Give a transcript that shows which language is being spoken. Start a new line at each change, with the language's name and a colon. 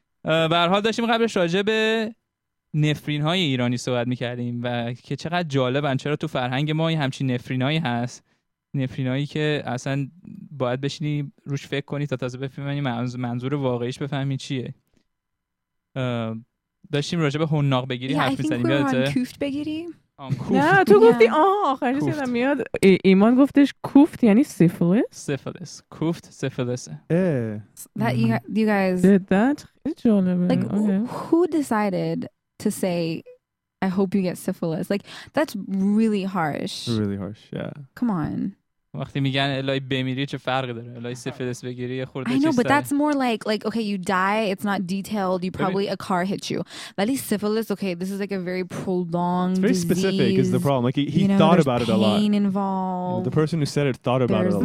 Persian: به هر حال داشتیم قبلش راجع به نفرین‌های ایرانی صحبت می‌کردیم و که چقدر جالبن، چرا تو فرهنگ ما همچین نفرین‌هایی هست، نفرینایی که اصلا باید بشینی روش فکر کنی تا تازه بفهمی منظور واقعیش بفهمی چیه. داشتیم راجع به حناق بگیری حرف می‌زدیم، یادته؟ کوفت بگیریم. نه تو گفتی آخرش یادم میاد ایمان گفتش کوفت یعنی سیفلیس کوفت سیفلیس.
English: That you guys did that. It's jolly. Like who decided to say I hope you get syphilis. Like that's really harsh. Really harsh. Yeah. Come on.
Persian: وقتی میگن الای بمیری چه فرقی داره؟ الای سیفلیس بگیری یه خورده چیز داره.
English: I know, but that's more like okay, you die. It's not detailed. You probably a car hit you. But at least syphilis, okay, this is like a very prolonged disease. It's very specific is the problem. Like he thought about it a lot. Pain involved. The person who said it thought about it a lot.